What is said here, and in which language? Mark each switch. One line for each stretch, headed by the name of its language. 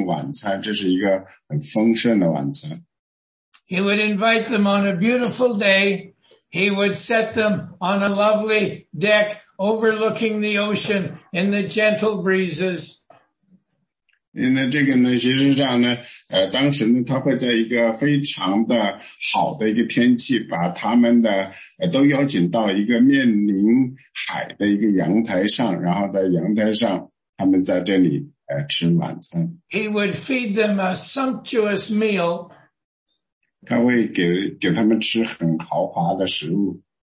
Chinese: 因为他呢，准备做的一件事呢，他准备请一些无神论者，无神论者呢来到他那里跟他们共进晚餐，这是一个很丰盛的晚餐。
English: He would invite them on a beautiful day. He would set them on a lovely deck overlooking the ocean in the gentle breezes.
Chinese: 因为这个呢，其实上呢，当时呢，他会在一个非常的好的一个天气，把他们的都邀请到一个面临海的一个阳台上，然后在阳台上，他们在这里吃晚餐。
English: He would feed them a sumptuous meal.
Chinese: 他会给他们吃很豪华的食物。